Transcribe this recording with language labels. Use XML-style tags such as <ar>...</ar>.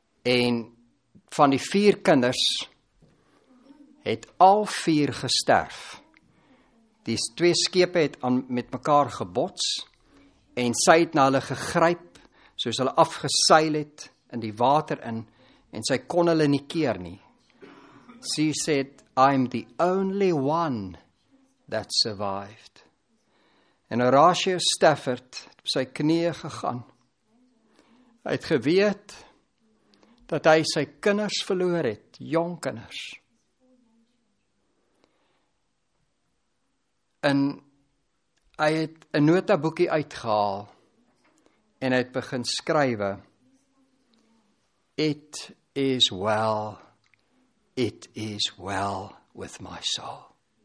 <af>En van die 4 kinders het al 4 gesterf. Die 2 skepe het met mekaar gebots en sy het na hulle gegryp soos hulle afgeseil het in die water in en sy kon hulle nie keer nie.</af> <en>She said, I'm the only one that survived.</en> <af>En Horatio Stafford het op sy knieë gegaan. Hy het geweet dat hy sy kinders verloor het, jong kinders. En hy het 'n notaboekie uitgehaal en hy het begin skrywe,</af> <en>It is well, it is well with my soul.</en>